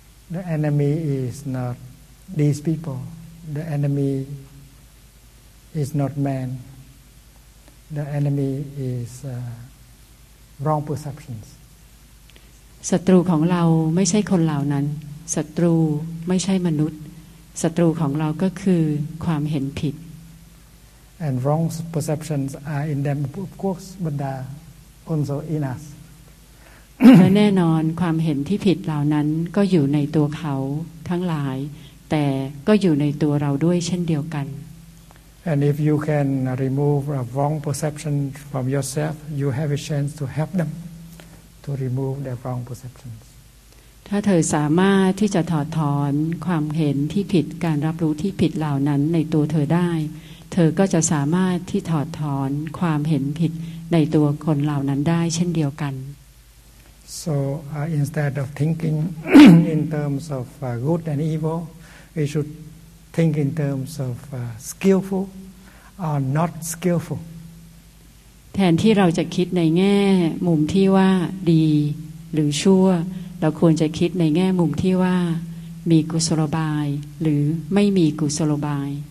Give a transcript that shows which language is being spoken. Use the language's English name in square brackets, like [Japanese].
[English] The enemy is not these people. The enemy is not man. The enemy is wrong perceptions. [Thai] ศัตรูของเราไม่ใช่คนเหล่านั้นศัตรูไม่ใช่มนุษย์ศัตรูของเราก็คือความเห็นผิด [English] And wrong perceptions are in them of course but are also in us. [Thai] และแน่นอนความเห็นที่ผิดเหล่านั้นก็อยู่ในตัวเขาทั้งหลายแต่ก็อยู่ในตัวเราด้วยเช่นเดียวกัน [English] And if you can remove a wrong perception from yourself you have a chance to help them to remove their wrong perceptions [Thai] ถ้าเธอสามารถที่จะถอดถอนความเห็นที่ผิดการรับรู้ที่ผิดเหล่านั้นในตัวเธอได้เธอก็จะสามารถที่ถอดถอนความเห็นผิดในตัวคนเหล่านั้นได้เช่นเดียวกัน [English] So instead of thinking in terms of good and evil we should think in terms of skillful or not skillful [Thai] แทนที่เราจะคิดในแง่มุมที่ว่าดีหรือชั่วเราควรจะคิดในแง่มุมที่ว่ามีกุศลบายหรือไม่มีกุศลบาย